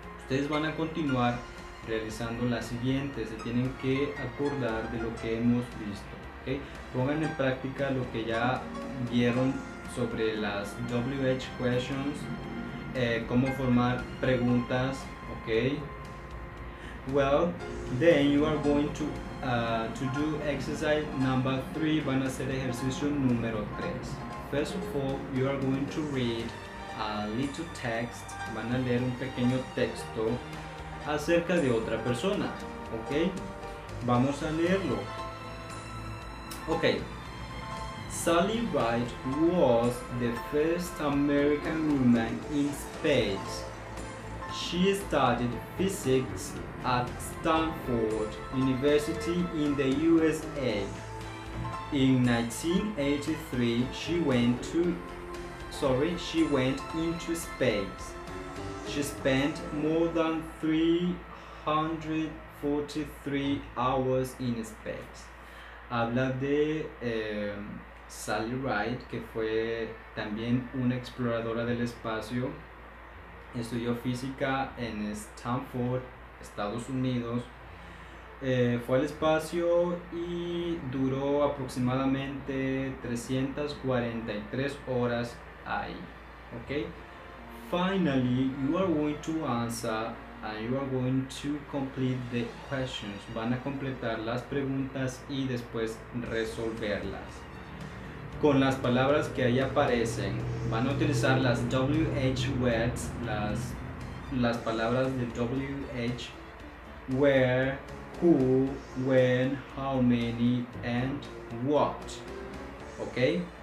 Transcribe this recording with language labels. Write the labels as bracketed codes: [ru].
[es] Ustedes van a continuar realizando las siguientes. Se tienen que acordar de lo que hemos visto. Okay. Pongan en práctica lo que ya vieron sobre las WH questions. Cómo formar preguntas, ok. [en] Well, then you are going to do exercise number 3. [es] Van a hacer ejercicio número 3. [en] First of all, you are going to read a little text. [es] Van a leer un pequeño texto acerca de otra persona, ok. Vamos a leerlo. Ok. [en] Sally Ride was the first American woman in space. She studied physics at Stanford University in the USA. In 1983, she went into space. She spent more than 343 hours in space. [es] Habla de Sally Ride, que fue también una exploradora del espacio. Estudió física en Stanford, Estados Unidos. Fue al espacio y duró aproximadamente 343 horas ahí. Okay. [en] Finally, you are going to answer and you are going to complete the questions. [es] Van a completar las preguntas y después resolverlas. Con las palabras que ahí aparecen, van a utilizar las WH words, las palabras de WH, [en] where, who, when, how many, and what. [es] ¿Ok?